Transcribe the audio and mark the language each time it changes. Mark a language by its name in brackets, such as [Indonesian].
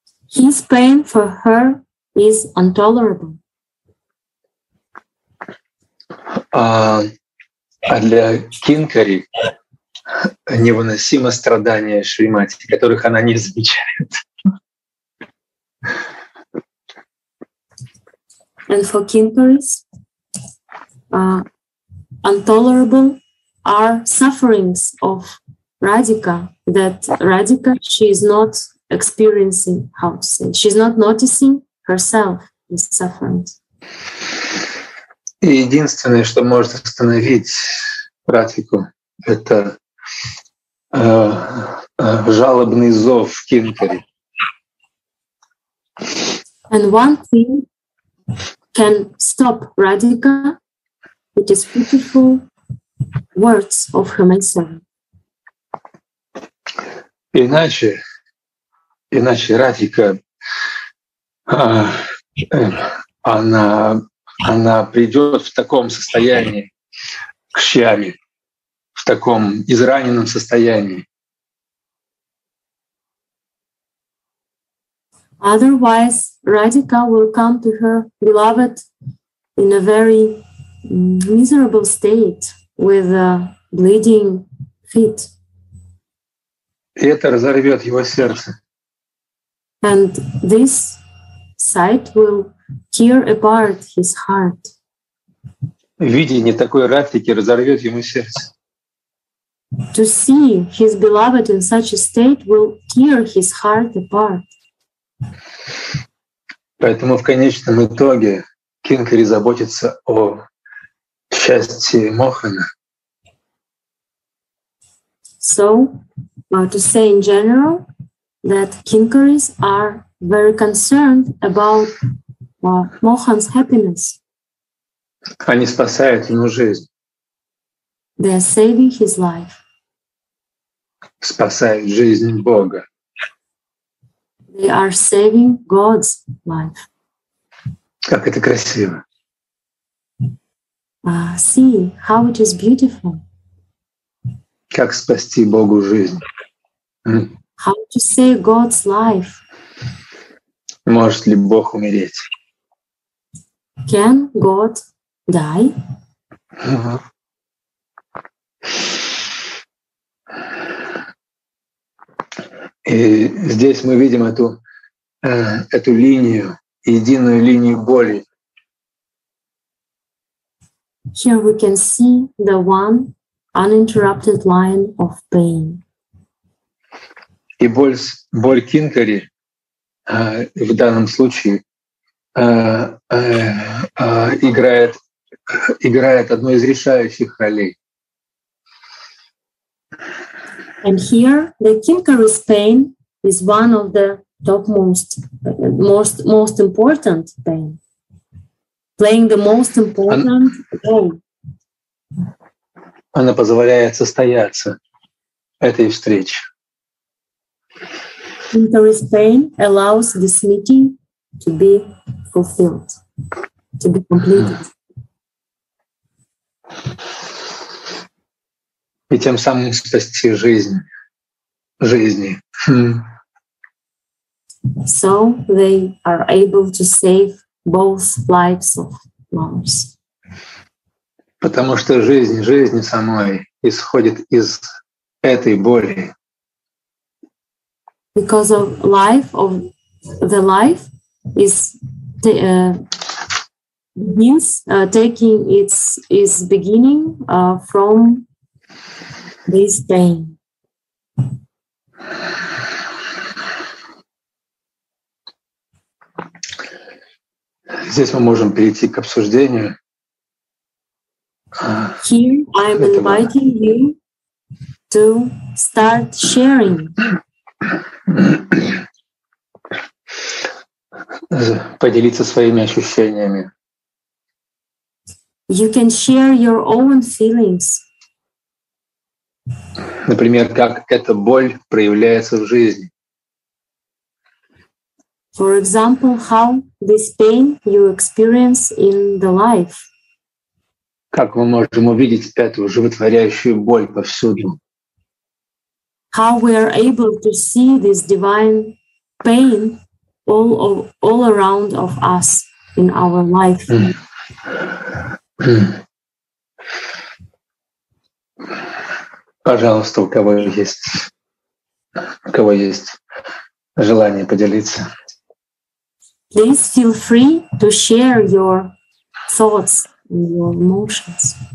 [English] His pain for her is intolerable. [Russian] А для Кинкари невыносимо страдание Шримати, которых она не замечает. [English] And for Kinkaris, intolerable are sufferings of Radhika, that Radhika, she is not experiencing, how to say, she's not noticing herself is suffering. [Russian] И единственное, что может остановить Радхику, это жалобный зов Кинкари. [English] And one thing can stop Radhika, it is beautiful words of her mentioning. [Russian] Иначе Радхика, она придет в таком состоянии к Шьяме, в таком израненном состоянии. [English] Otherwise, Radhika will come to her beloved in a very miserable state with a bleeding feet. [Russian] И это разорвет его сердце. [English] And this sight will tear apart his heart. [Russian] Видение такой Радхики разорвет ему сердце. [English] To see his beloved in such a state will tear his heart apart. [Russian] Поэтому в конечном итоге Кинкари заботится о счастье Мохана. [English] So, to say in general, that Kinkaris are very concerned about Mohan's happiness. [Russian] Они спасают ему жизнь. [English] They are saving his life. [Russian] Спасают жизнь Бога. [English] They are saving God's life. [Russian] Как это красиво. [English] See how it is beautiful. [Russian] Как спасти Богу жизнь. [English] How to save God's life? [Russian] Может ли Бог умереть? [English] Can God die? [Russian] И здесь мы видим эту линию, единую линию боли. [English] Here we can see the one uninterrupted line of pain. [Russian] И боль Кинкари в данном случае играет одну из решающих ролей. [English] And here the Kinkari's pain is one of the topmost, most important pain, playing the most important role. [Russian] Она позволяет состояться этой встрече. [English] Kinkari's pain allows this meeting to be fulfilled, to be completed. [Russian] И тем самым спасти жизни. [English] So they are able to save both lives of Mars. [Russian] Потому что жизнь самой исходит из этой боли. [English] Because of life of the life is begins taking its beginning from this pain. [Russian] Здесь мы можем перейти к обсуждению. [English] Here I am inviting you to start sharing. [Russian] Поделиться своими ощущениями. [English] You can share your own feelings. [Russian] Например, как эта боль проявляется в жизни. [English] For example, how this pain you experience in the life. [Russian] Как мы можем увидеть эту животворящую боль повсюду? [English] How we are able to see this divine pain all around of us in our life? [Russian] Пожалуйста, у кого есть желание поделиться? [English] Please feel free to share your thoughts and your emotions.